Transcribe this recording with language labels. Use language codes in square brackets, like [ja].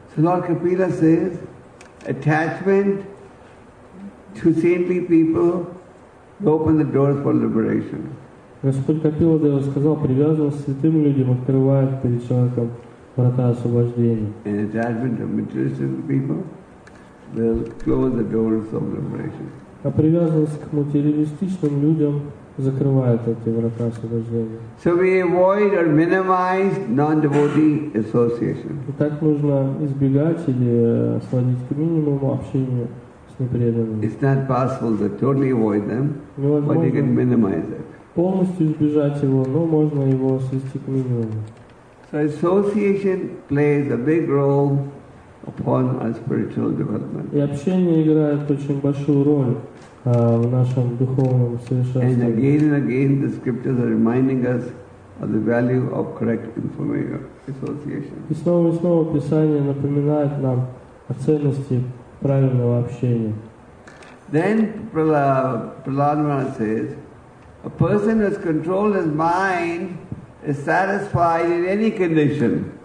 [en] So Lord Kapila says, attachment to saintly people will open the door for liberation. [ru] Господь Капила Дева сказал, привязанность к святым людям открывает перед человеком врата освобождения. [en] And attachment to materialistic people will close the doors of liberation. [ru] А привязанность к материалистичным людям закрывает эти врата освобождения. [en] So we avoid or minimize non-devotee association. [ru] Итак, нужно избегать или сводить к минимуму общение с непреданными. [en] It's not possible to totally avoid them, but you can minimize it. [ru] Полностью избежать его, но можно его свести к минимуму. [en] So association plays a big role upon our spiritual development. [ru] И общение играет очень большую роль. [en] And again and again, the scriptures are reminding us of the value of correct information association. [ru] И снова и снова Писание напоминает нам о ценности правильного общения. [en] Then Prahlad Maharaj says, a person who has controlled his mind is satisfied in any condition.